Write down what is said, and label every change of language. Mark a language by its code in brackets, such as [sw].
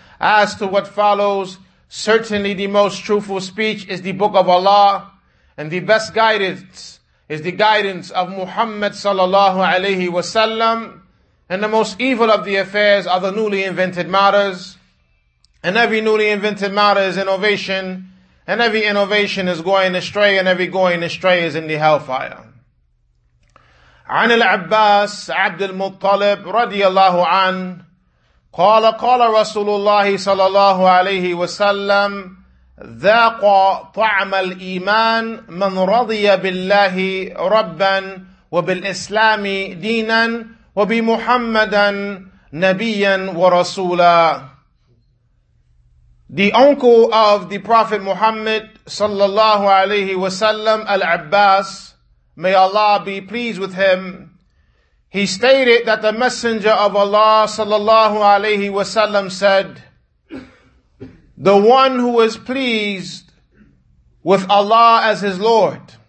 [en] As to what follows, certainly the most truthful speech is the Book of Allah, and the best guidance is the guidance of Muhammad sallallahu alayhi wasallam, and the most evil of the affairs are the newly invented matters. And every newly invented matter is innovation, and every innovation is going astray, and every going astray is in the hellfire. [ar] عن العباس عبد المطلب رضي الله عنه قال قال رسول الله صلى الله عليه وسلم ذاق طعم الإيمان من رضي بالله ربا وبالإسلام دينا وبمحمدا نبيا ورسولا. [en] The uncle of the Prophet Muhammad صلى الله عليه وسلم, Al-Abbas, may Allah be pleased with him, he stated that the Messenger of Allah صلى الله عليه وسلم said, the one who is pleased with Allah as his Lord,